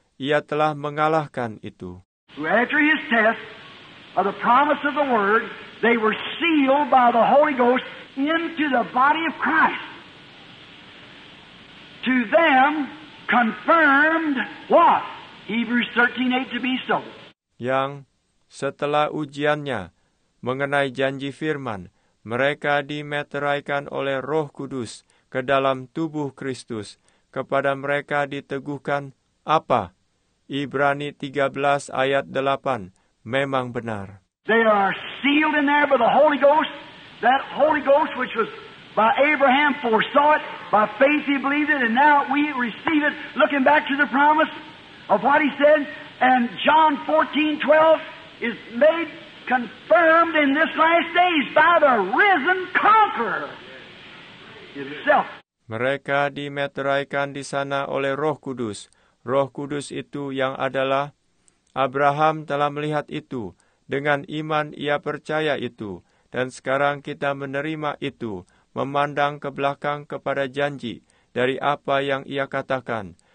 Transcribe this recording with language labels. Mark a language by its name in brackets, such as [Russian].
[Indonesian] Ia telah mengalahkan itu. [English] So after his test of the promise of the word, they were sealed by the Holy Ghost into the body of Christ. To them confirmed what? Hebrews 13:8 to be so. [Indonesian] Yang setelah ujiannya mengenai janji firman, mereka dimeteraikan oleh Roh Kudus ke dalam tubuh Kristus. Kepada mereka diteguhkan apa? Ibrani 13 ayat 8 memang benar. [English] They are sealed in there by the Holy Ghost. That Holy Ghost which was by Abraham foresaw it, by faith he believed it, and now we receive it looking back to the promise of what he said. And John 14:12 is made confirmed in this last days by the risen conqueror himself. [Indonesian] Mereka dimeteraikan di sana oleh Roh Kudus Roh Kudus itu yang adalah Abraham telah melihat itu, dengan iman ia percaya itu, dan sekarang kita menerima itu, memandang ke belakang kepada janji dari apa yang ia katakan.